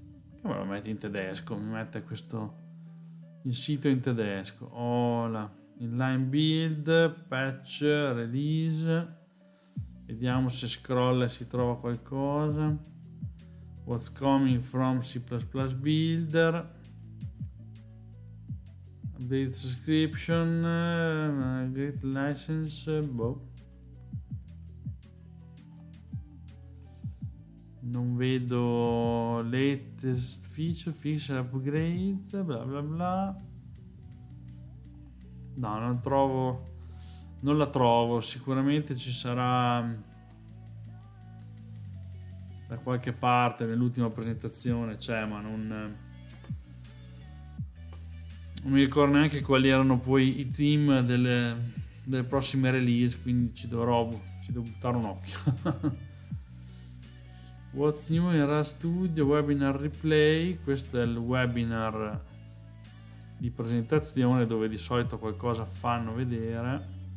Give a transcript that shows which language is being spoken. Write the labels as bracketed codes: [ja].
[it] Perché me lo metti in tedesco? Mi mette questo il sito in tedesco. [en] Hola, inline build, patch, release. [it] Vediamo se scroll e si trova qualcosa. [en] What's coming from C++ Builder. Update subscription, great license, boh. [it] Non vedo [en] latest feature, fix upgrade, [it] bla bla bla. No, non trovo, non la trovo, sicuramente ci sarà da qualche parte nell'ultima presentazione, c'è, ma non mi ricordo neanche quali erano poi i team delle prossime release, quindi ci devo buttare un occhio. [en] What's new in RAS Studio webinar replay. [it] Questo è il webinar di presentazione dove di solito qualcosa fanno vedere.